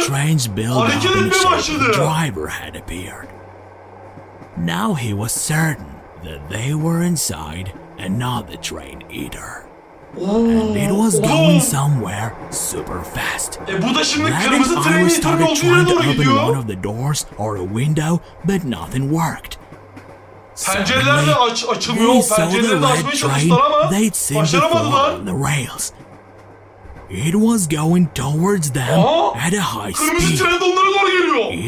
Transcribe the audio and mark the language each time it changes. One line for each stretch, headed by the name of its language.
English: A strange build-up in the shape of the driver had appeared. Now he was certain that they were inside another train eater. And it was going somewhere super fast.
Turkish: Bu da şimdi Vlad kırmızı train eater'ın olduğu yere doğru gidiyor.
English: Open one of the doors or a window, but nothing worked.
Turkish: Pencereler de açılmıyor. Pencereleri de açmaya çalıştılar ama başaramadılar.
English: The rails. It was going towards them at a high speed.
Turkish: Kırmızı train de onlara doğru geliyor.